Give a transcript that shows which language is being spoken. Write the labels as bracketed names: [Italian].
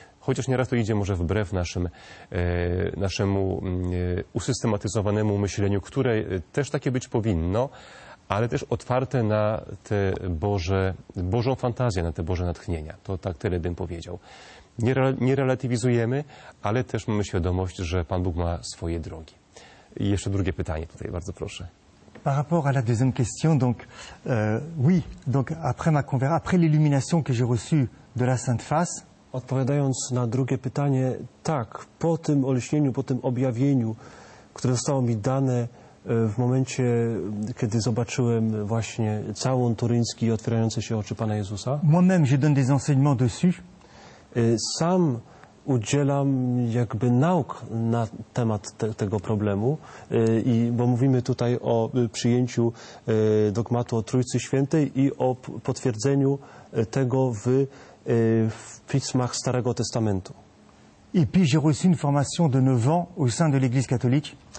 [Polish] Chociaż nieraz to idzie może wbrew naszemu usystematyzowanemu myśleniu, które też takie być powinno, ale też otwarte na te Bożą fantazję, na te Boże natchnienia. To tak tyle bym powiedział. Nie relatywizujemy, ale też mamy świadomość, że Pan Bóg ma swoje drogi. I jeszcze drugie pytanie tutaj, bardzo proszę. [French] Par rapport à la deuxième question, donc oui, donc après ma conversion, après l'illumination que j'ai reçue de la Sainte Face. [Polish] Odpowiadając na drugie pytanie, tak, po tym olśnieniu, po tym objawieniu, które zostało mi dane w momencie, kiedy zobaczyłem właśnie całun turyński i otwierające się oczy Pana Jezusa. [French] Moi-même, je donne des enseignements dessus. [Polish] Sam udzielam jakby nauk na temat tego problemu, bo mówimy tutaj o przyjęciu dogmatu o Trójcy Świętej i o potwierdzeniu tego w pismach Starego Testamentu. [French] Et puis j'ai reçu une formation de 9 ans au sein de l'Église catholique.